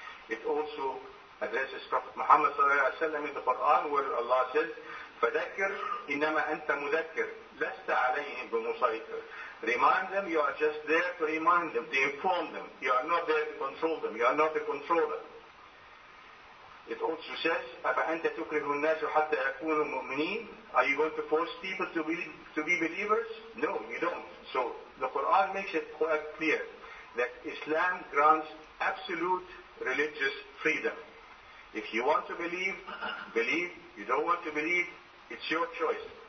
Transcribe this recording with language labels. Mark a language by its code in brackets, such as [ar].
[en] It also addresses Prophet Muhammad sallallahu alaihi wasallam in the Quran, where Allah says, [ar] فَذَكِّرْ إِنَّمَا أَنْتَ مُذَكِّرْ لَسْتَ عَلَيْهِمْ بِمُصَيْطِرْ. [en] Remind them, you are just there to remind them, to inform them. You are not there to control them. You are not the controller. It also says, [ar] أَفَأَنْتَ تُكْرِهُ النَّاسُ حَتَّى يَكُونُوا مُؤْمِنِينَ. [en] Are you going to force people to be believers? No, you don't. So the Quran makes it quite clear that Islam grants absolute religious freedom. If you want to believe, believe. You don't want to believe, it's your choice.